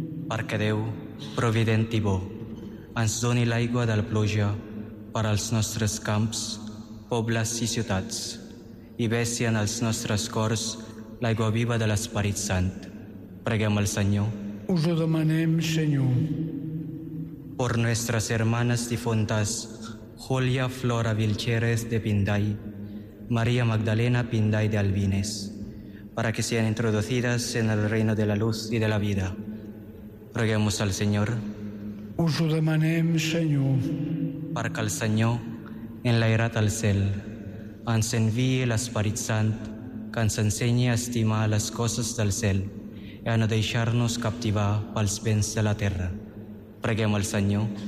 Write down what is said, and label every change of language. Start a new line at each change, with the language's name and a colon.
Catalan: Perquè Déu, provident i bo, ens doni l'aigua de la pluja per als nostres camps, pobles i ciutats, i vessi en els nostres cors l'aigua viva de l'Esperit Sant. Preguem al Senyor. Us ho demanem, Senyor.
Spanish: Por nuestras hermanas difuntas, Julia Flora Vilcheres de Pinday, María Magdalena Pinday de Albines, para que sean introducidas en el reino de la luz y de la vida. Preguemos al Señor.
Catalan: Us ho demanem, Senyor. Perquè el Senyor, enlairat al cel, ens enviï l'Esperit Sant, que ens ensenyi a estimar les coses del cel i a no deixar-nos captivar pels béns de la terra. Preguem al Senyor.